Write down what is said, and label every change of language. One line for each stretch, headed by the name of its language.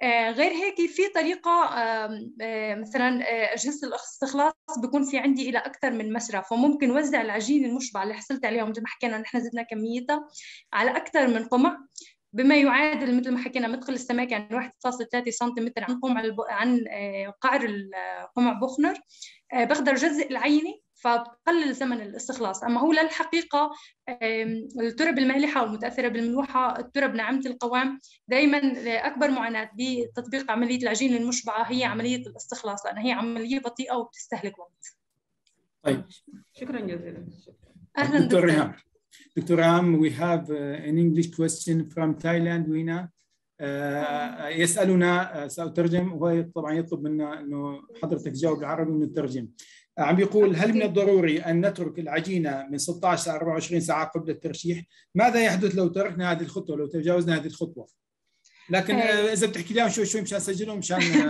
Arabic: غير هيك في طريقة مثلا أجهزة الاستخلاص بيكون في عندي إلى أكثر من مسرف، فممكن وزع العجين المشبع اللي حصلت عليها مثل ما حكينا نحن زدنا كميتها على أكثر من قمع، بما يعادل مثل ما حكينا مدخل السماكة عن 1.3 سنتيمتر عن قمع عن قعر القمع بوخنر، بقدر أجزئ العينة فبقلل زمن الاستخلاص. أما هو للحقيقة التراب المالحة والمتأثرة بالملوحة، التراب ناعمة القوام، دائما أكبر معاناة بتطبيق عملية العجين المشبعة هي عملية الاستخلاص، لأنها هي عملية بطيئة وبتستهلك وقت. طيب، شكرا جزيلا. أهلا دكتور ريهام.
English: Doctor ريهام، we have an English question from Thailand.
Arabic: وينا يسألنا، سأترجم، هو طبعا يطلب منا أنه حضرتك جاوب العربي ونترجم. عم بيقول: هل من الضروري أن نترك العجينة من 16 إلى 24 ساعة قبل الترشيح؟ ماذا يحدث لو تركنا هذه الخطوة، لو تجاوزنا هذه الخطوة؟ لكن إذا بتحكي لهم شوي مشان سجلهم مشان